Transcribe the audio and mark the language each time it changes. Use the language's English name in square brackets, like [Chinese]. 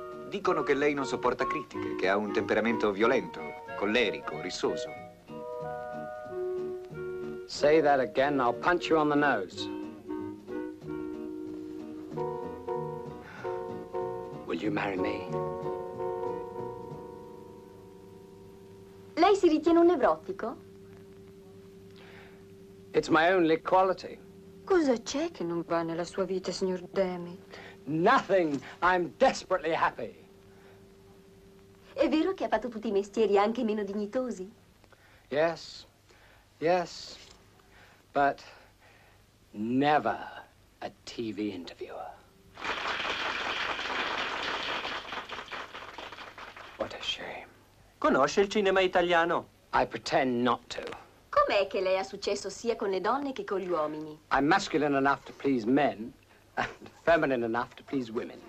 [Italian] Dicono che lei non sopporta critiche, che ha un temperamento violento, collerico, rissoso. [English] Say that again, I'll punch you on the nose. Will you marry me? [Italian] Lei si ritiene un nevrotico? [English] It's my only quality. [Italian] Cosa c'è che non va nella sua vita, signor Demmitt? [English] Nothing. I'm desperately happy. [Italian] È vero che ha fatto tutti i mestieri anche meno dignitosi? [English] Yes. Yes. But never a TV interviewer. What a shame. [Italian] Conosce il cinema italiano? [English] I pretend not to. [Italian] Com'è che lei ha successo sia con le donne che con gli uomini? [English] I'm masculine enough to please men and feminine enough to please women.